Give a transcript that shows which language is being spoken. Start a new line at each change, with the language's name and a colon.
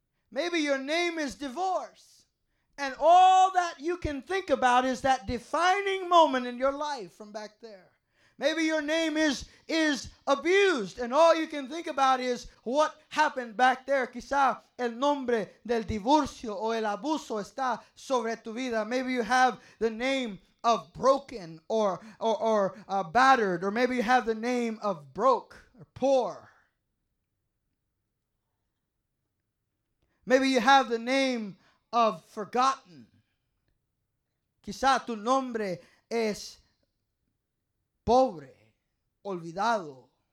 English: Maybe your name is divorce, and all that you can think about is that defining moment in your life from back there. Maybe your name is abused, and all you can think about is what happened back there.
Spanish: Quizá el nombre del divorcio o el abuso está sobre tu vida.
English: Maybe you have the name of broken or battered, or maybe you have the name of broke or poor. Maybe you have the name of forgotten.
Spanish: Quizá tu nombre es pobre, olvidado.